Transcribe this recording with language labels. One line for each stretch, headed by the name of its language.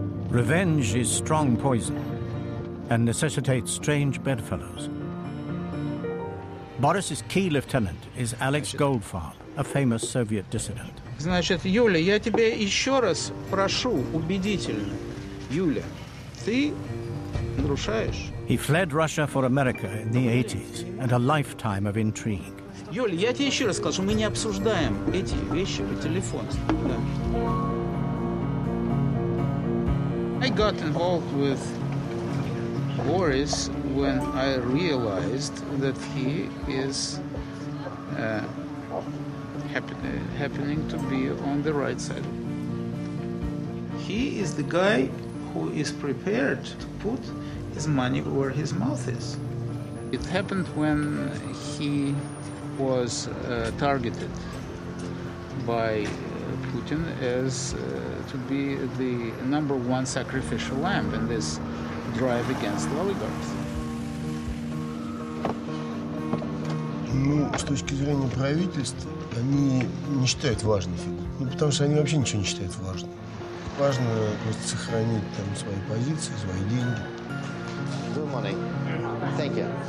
English: Revenge is strong poison and necessitates strange bedfellows. Борис's key lieutenant is Alex Goldfarb, a famous Soviet dissident.
Russian: Значит, Юля, я тебя еще раз прошу убедительно. Юля, ты нарушаешь?
English: He fled Russia for America in the 80s and a lifetime of intrigue.
Russian: Юля, я тебе еще раз скажу, мы не обсуждаем эти вещи по телефону. Да.
English: I got involved with Boris when I realized that he is happening to be on the right side. He is the guy who is prepared to put his money where his mouth is. It happened when he was targeted by Putin as to be the number one sacrificial lamb in this drive against the oligarchs.
Russian: Ну, с точки зрения правительства, они не считают важной фигурой. Ну, потому что они вообще ничего не считают важным. Важно просто сохранить там свои позиции, свои деньги.
English: Thank you.